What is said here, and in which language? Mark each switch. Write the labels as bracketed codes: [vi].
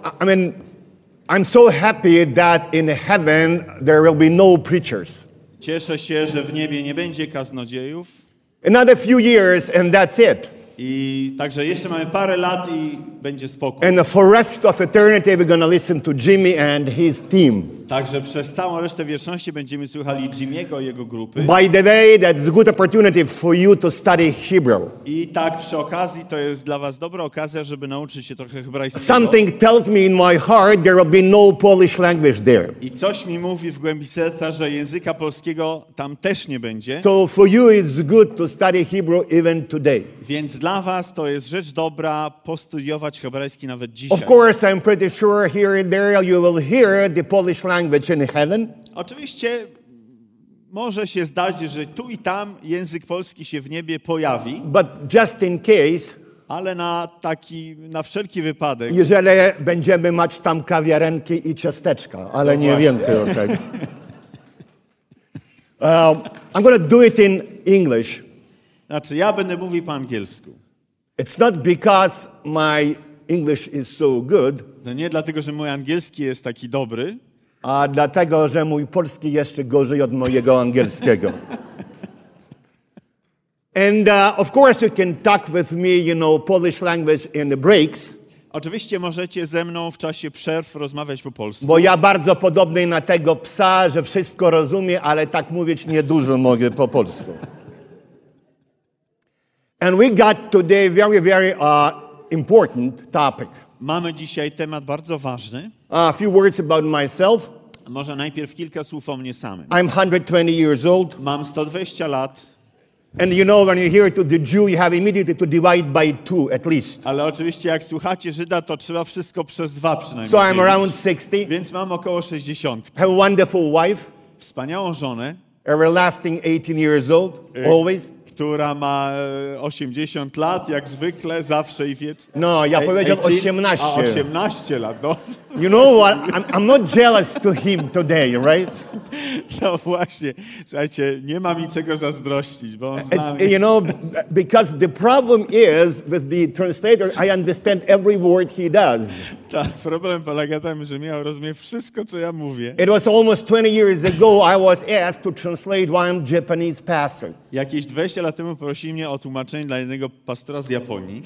[en] I mean, I'm so happy that in heaven there will be no preachers. [pl] Cieszę się, że w niebie nie będzie kaznodziejów. [en] Another few years and that's it. [pl] I także jeszcze mamy parę lat i będzie spokój. [en] And for rest of eternity we're going to listen to Jimmy and his team. [pl] Także przez całą resztę wieczności będziemy słuchali Jimmy'ego i jego grupy. [en] By the way, that's a good opportunity for you to study Hebrew. [pl] I tak przy okazji to jest dla was dobra okazja, żeby nauczyć się trochę hebrajskiego. [en] Something tells me in my heart there will be no Polish language there. [pl] I coś mi mówi w głębi serca, że języka polskiego tam też nie będzie. [en] So for you it's good to study Hebrew even today. [pl] Więc dla was to jest rzecz dobra postudiować hebrajski nawet dzisiaj. [en] Of course, I'm pretty sure here and there you will hear the Polish language in heaven. [pl] Oczywiście może się zdarzyć, że tu i tam język polski się w niebie pojawi. [en] But just in case, [pl] ale na wszelki wypadek, jeżeli będziemy mać tam kawiarenki i ciasteczka, ale no nie właśnie. Więcej o tego. [en] I'm going to do it in English. [pl] Znaczy, ja będę mówił po angielsku. [en] It's not because my English is so good. [pl] No nie dlatego, że mój angielski jest taki dobry. A dlatego, że mój polski jeszcze gorzej od mojego angielskiego. [en] And of course you can talk with me, you know, Polish language in the breaks. [pl] Oczywiście możecie ze mną w czasie przerw rozmawiać po polsku. Bo ja bardzo podobny na tego psa, że wszystko rozumie, ale tak mówić niedużo mogę po polsku. [en] And we got today very, very important topic. [pl] Mamy dzisiaj temat bardzo ważny. [en] A few words about myself. [pl] Może najpierw kilka słów o mnie samym. [en] I'm 120 years old. [pl] Mam 120 lat. [en] And you know when you hear to the Jew, you have immediately to divide by two at least. [pl] Ale oczywiście jak słuchacie Żyda, to trzeba wszystko przez dwa przynajmniej. [en] So I'm around 60. [pl] Więc mam około 60. [en] Have a wonderful wife. [pl] Wspaniałą żonę. [en] Everlasting 18 years old. Always. [pl] Która ma 80 lat, jak zwykle, zawsze i wiecznie. No, ja powiedział 18. A 18 lat, no. [en] You know what? I'm not jealous to him today, right? [pl] No właśnie. Słuchajcie, nie mam niczego zazdrościć, bo on zna mnie. [en] You know, because the problem is with the translator, I understand every word he does. [pl] Tak, problem polega tam, że miał rozumieć wszystko, co ja mówię. [en] It was almost 20 years ago I was asked to translate one Japanese pastor. [pl] Jakieś 20 lat temu prosił mnie o tłumaczenie dla jednego pastora z Japonii.